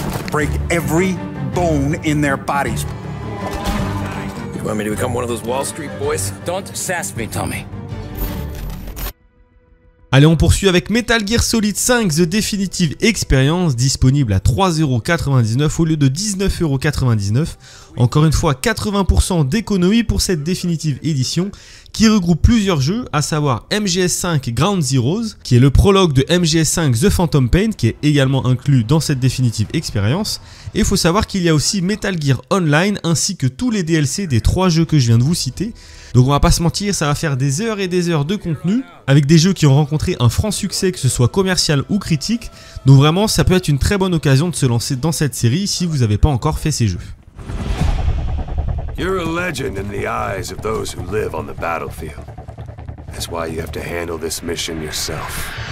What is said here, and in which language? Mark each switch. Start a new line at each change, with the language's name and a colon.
English: Break every bone in their bodies. You want me to become one of those Wall Street boys? Don't sass me, Tommy.
French: Allez, on poursuit avec Metal Gear Solid 5 The Definitive Experience, disponible à 3,99€ au lieu de 19,99€. Encore une fois, 80% d'économie pour cette définitive édition qui regroupe plusieurs jeux, à savoir MGS5 Ground Zeroes, qui est le prologue de MGS5 The Phantom Pain, qui est également inclus dans cette définitive expérience. Et il faut savoir qu'il y a aussi Metal Gear Online, ainsi que tous les DLC des trois jeux que je viens de vous citer. Donc on va pas se mentir, ça va faire des heures et des heures de contenu, avec des jeux qui ont rencontré un franc succès, que ce soit commercial ou critique. Donc vraiment, ça peut être une très bonne occasion de se lancer dans cette série si vous n'avez pas encore fait ces jeux.
English: You're a legend in the eyes of those who live on the battlefield. That's why you have to handle this mission yourself.